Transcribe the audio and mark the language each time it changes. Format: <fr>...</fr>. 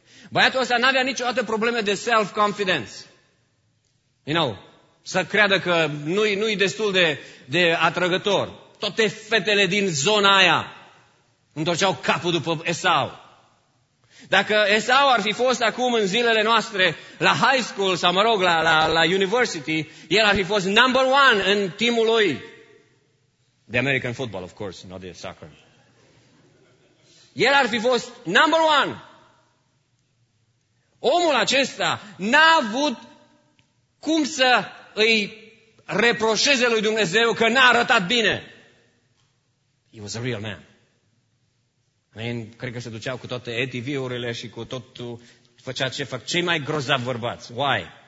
<ro>Băiatul ăsta n-avea niciodată probleme de self-confidence. You know, să creadă că nu-i destul de atrăgător. Toate fetele din zona aia întorceau capul după Esau. Dacă Esau ar fi fost acum în zilele noastre la high school sau mă rog la university, el ar fi fost number one în timul lui.</ro> <en>The American football, of course, not the soccer.</en> <ro>El ar fi fost number one. Omul acesta n-a avut cum să îi reproșeze lui Dumnezeu că n-a arătat bine. He was a real man. I mean, cred că se duceau cu toate ATV-urile și cu totul, făcea ce fac cei mai grozavi bărbați. Why?</ro>